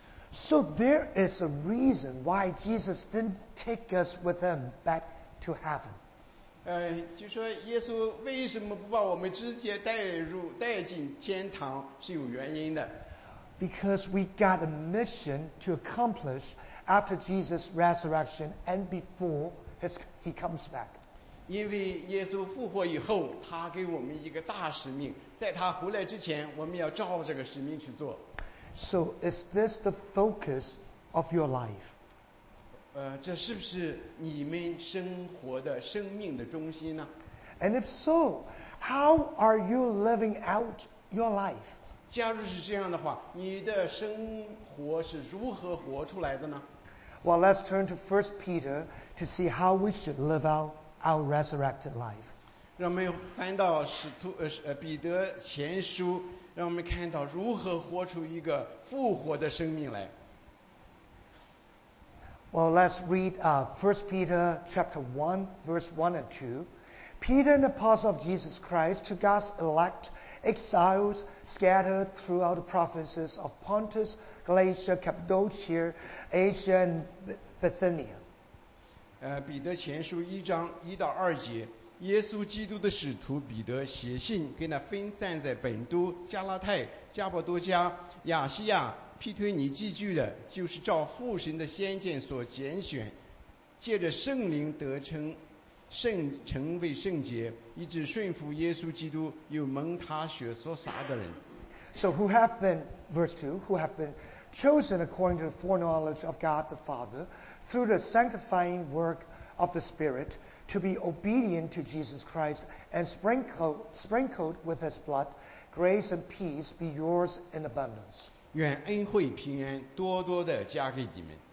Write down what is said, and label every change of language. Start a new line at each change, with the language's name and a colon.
English: So there is a reason why Jesus didn't take us with him back to heaven.
Chinese: 就说耶稣为什么不把我们直接带进天堂是有原因的。
English: Because we got a mission to accomplish after Jesus' resurrection and before he comes back.
Chinese: 因为耶稣复活以后，他给我们一个大使命，在他回来之前，我们要照这个使命去做。
English: So is this the focus of your life?
Chinese: 这是不是你们生活的生命的中心呢？
English: And if so, how are you living out your life?
Chinese: 假如是这样的话，你的生活是如何活出来的呢？
English: Well, let's turn to 1 Peter to see how we should live out our resurrected life.
Chinese: 让我们翻到彼得前书，让我们看到如何活出一个复活的生命来。
English: Well, let's read 1 Peter chapter 1, verse 1 and 2. Peter, an apostle of Jesus Christ, to God's elect exiles scattered throughout the provinces of Pontus, Galatia, Cappadocia, Asia, and Bithynia.
Chinese: 彼得前书一章一到二节，耶稣基督的使徒彼得写信给那分散在本都、加拉太、加伯多加、亚细亚、庇推尼寄居的，就是照父神的先见所拣选，借着圣灵得称。成为圣洁，以致顺服耶稣基督，又蒙他血所洒的人。
English: So who have been, verse 2, who have been chosen according to the foreknowledge of God the Father, through the sanctifying work of the Spirit, to be obedient to Jesus Christ, and sprinkled with his blood, grace and peace be yours in abundance.
Chinese: 愿恩惠平安多多地加给你们。